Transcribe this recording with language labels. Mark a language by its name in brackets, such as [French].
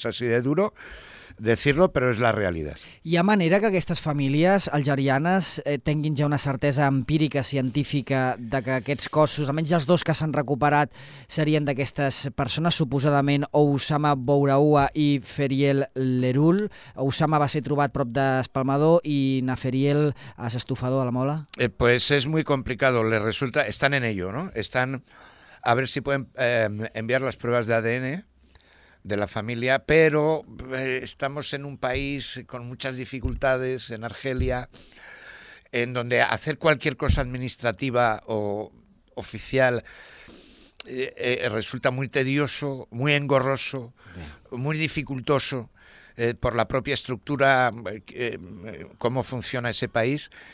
[Spanish] Es así de duro decirlo, pero es la realidad. [Catalan] Hi ha manera que aquestes famílies algerianes tinguin ja una certesa empírica, científica, de que aquests cossos, almenys els dos que s'han recuperat, serien d'aquestes persones, suposadament Usama Bouraoua i Feriel Lerul? Usama va ser trobat prop d'Espalmador i Naferiel a l'Estofador, a la Mola? [Spanish] Pues es muy complicado, les resulta... Están en ello, ¿no? Están... A ver si pueden enviar las pruebas de ADN de la familia, pero estamos en un país con muchas dificultades, en Argelia, en donde hacer cualquier cosa administrativa o oficial resulta muy tedioso, muy engorroso, muy dificultoso por la propia estructura, cómo funciona ese país.